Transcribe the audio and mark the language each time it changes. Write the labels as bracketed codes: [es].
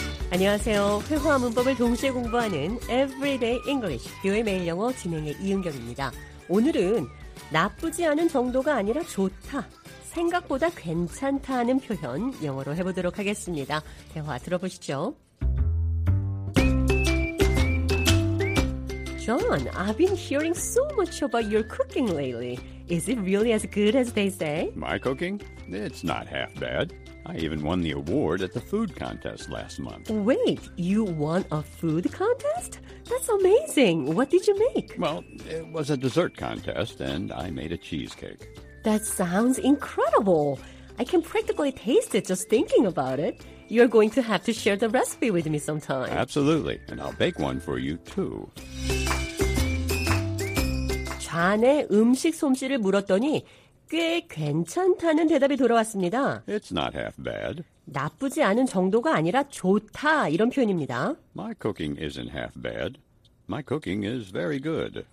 [ko] 안녕하세요. 회화 문법을 동시에 공부하는 Everyday English, 뷰의 매일 영어 진행의 이은경입니다. 오늘은 나쁘지 않은 정도가 아니라 좋다, 생각보다 괜찮다 하는 표현 영어로 해보도록 하겠습니다. 대화 들어보시죠. [en] John, I've been hearing so much about your cooking lately. Is it really as good as they say? My cooking? It's not half bad. I even won the award at the food contest last month. Wait, you won a food contest? That's amazing. What did you make? Well, it was a dessert contest, and I made a cheesecake. That sounds incredible. I can practically taste it just thinking about it. You're going to have to share the recipe with me sometime. Absolutely, and I'll bake one for you too. [ko] 잔의 음식 솜씨를 물었더니 꽤 괜찮다는 대답이 돌아왔습니다. [en] It's not half bad. [ko] 나쁘지 않은 정도가 아니라 좋다, 이런 표현입니다. [en] My cooking isn't half bad. My cooking is very good.